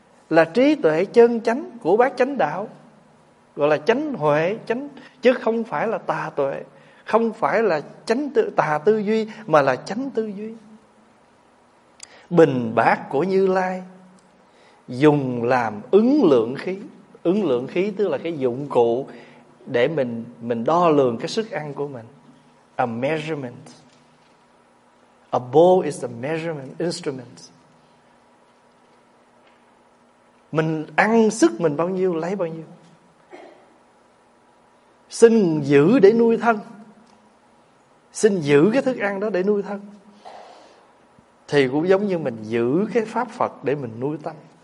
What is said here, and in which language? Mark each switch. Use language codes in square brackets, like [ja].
[vi] Là trí tuệ chân chánh của bát chánh đạo, gọi là chánh huệ, chánh chứ không phải là tà tuệ, không phải là chánh tà tư duy, mà là chánh tư duy. Bình bát của Như Lai dùng làm ứng lượng khí. Ứng lượng khí tức là cái dụng cụ để mình đo lường cái sức ăn của mình. [en] A measurement. A bowl is a measurement instrument. [vi] Mình ăn sức mình bao nhiêu, lấy bao nhiêu. Xin giữ để nuôi thân. Xin giữ cái thức ăn đó để nuôi thân. Thì cũng giống như mình giữ cái pháp Phật để mình nuôi tâm.